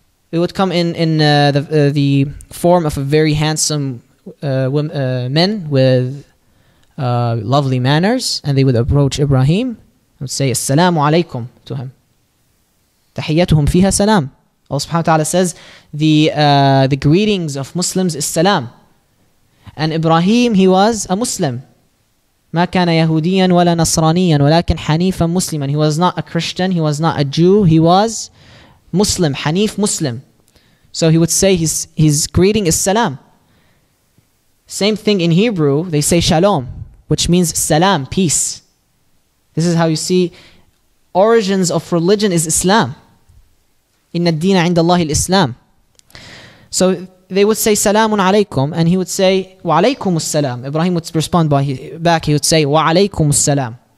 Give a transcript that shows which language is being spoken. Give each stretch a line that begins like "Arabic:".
English: It would come in the form of a very handsome men with lovely manners, and they would approach Ibrahim and say, Assalamu alaikum to him.
Arabic: Tahiyyatuhum fiha salam.
English: Allah subhanahu wa ta'ala says, the greetings of Muslims is salam. And Ibrahim, he was a Muslim.
Arabic: ما كان يهوديا ولا نصرانيا ولكن حنيفا مسلما.
English: He was not a Christian, he was not a Jew, he was Muslim, Hanif Muslim. So he would say his greeting is salam. Same thing in Hebrew, they say shalom, which means salam, peace. This is how you see origins of religion is Islam.
Arabic: إن الدين عند الله الإسلام.
English: So they would say salamun alaykum, and he would say wa alaykum as-salam. Ibrahim would respond back, he would say wa alaykum as-salam.